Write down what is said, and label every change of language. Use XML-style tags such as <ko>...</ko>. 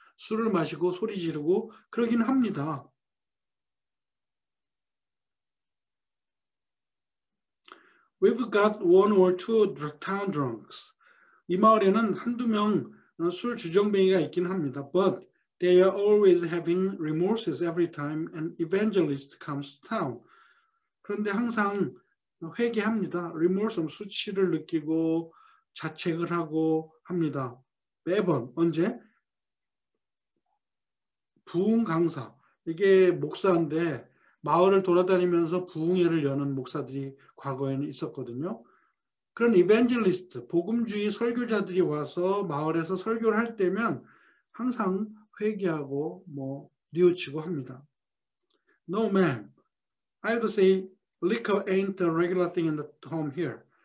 <ko>술을 마시고 소리 지르고 그러긴 합니다.</ko> <en>1 or 2 town drunks.</en> <ko>이 마을에는 한두 명 술 주정뱅이가 있긴 합니다.</ko> <en>But they are always having remorses every time an evangelist comes to town.</en> <ko>그런데 항상 회개합니다. Remorse, 수치를 느끼고 자책을 하고 합니다. 매번 언제? 부흥 강사. 이게 목사인데 마을을 돌아다니면서 부흥회를 여는 목사들이 과거에는 있었거든요. 그런 이벤젤리스트, 복음주의 설교자들이 와서 마을에서 설교를 할 때면 항상 회개하고 뭐 뉘우치고 합니다.</ko> <en>No, ma'am. I would say liquor ain't the regular thing in the home here.</en>